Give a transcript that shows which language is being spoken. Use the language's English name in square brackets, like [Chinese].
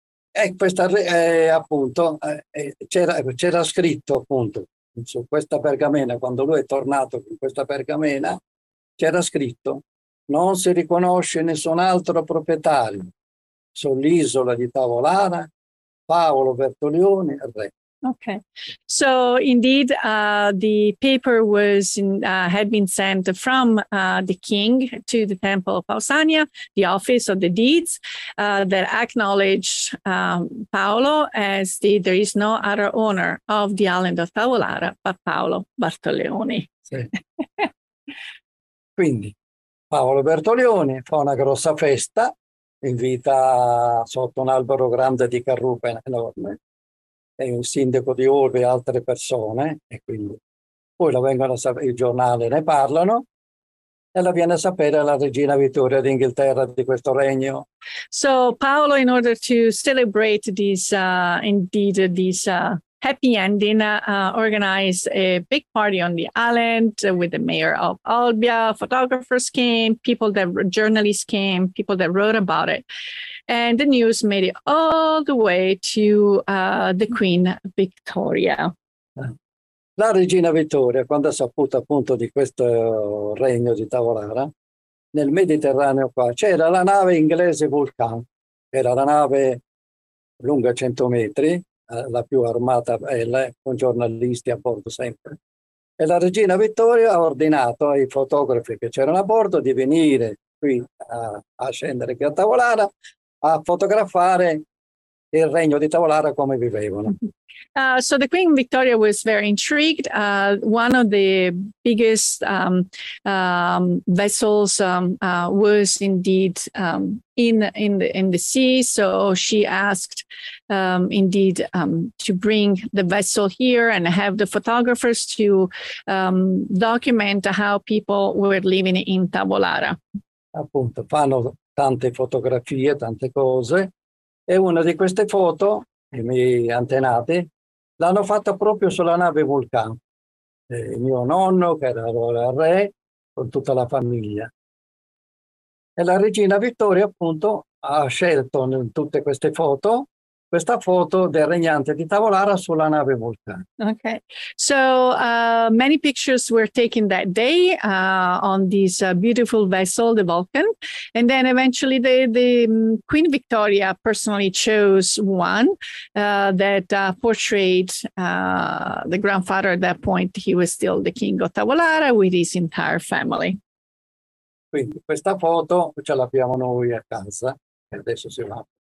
[Italian] E questa c'era scritto appunto su questa pergamena, quando lui è tornato con questa pergamena, c'era scritto, non si riconosce nessun altro proprietario sull'isola di Tavolara, Paolo Bertolioni, re. [English] Okay. So indeed, the paper was had been sent from the king to the temple of Pausania, the office of the deeds, that acknowledged Paolo as the, there is no other owner of the island of Tavolara, but Paolo Bartoleone. [Italian] Sì. Quindi, Paolo Bartoleone fa una grossa festa, invita sotto un albero grande di carrupe enorme, e un sindaco di Orbe e altre persone, e quindi poi la vengono a sapere, il giornale ne parlano, e la viene a sapere la regina Vittoria d'Inghilterra di questo regno. [English] So Paolo, in order to celebrate this indeed this happy ending, organized a big party on the island with the mayor of Olbia. Photographers came, people that journalists came, people that wrote about it. And the news made it all the way to the Queen Victoria. [Italian] La regina Vittoria, quando ha saputo appunto di questo regno di Tavolara, nel Mediterraneo qua c'era la nave inglese Vulcan, era la nave lunga 100 metri, la più armata, con giornalisti a bordo sempre. E la regina Vittoria ha ordinato ai fotografi che c'erano a bordo di venire qui a scendere qui a Tavolara a fotografare il regno di Tavolara come vivevano. [English] So the Queen Victoria was very intrigued. One of the biggest vessels was indeed in the sea. So she asked to bring the vessel here and have the photographers to document how people were living in Tavolara. [Italian] Appunto, fanno tante fotografie, tante cose, e una di queste foto, i miei antenati, l'hanno fatta proprio sulla nave Vulcan, il mio nonno, che era allora re, con tutta la famiglia. E la regina Vittoria, appunto, ha scelto in tutte queste foto questa foto del regnante di Tavolara sulla nave Vulcan. [English] Okay, so many pictures were taken that day on this beautiful vessel, the Vulcan, and then eventually the Queen Victoria personally chose one that portrayed the grandfather. At that point, he was still the king of Tavolara with his entire family. [Italian] Quindi questa foto ce l'abbiamo noi a casa, e adesso si va.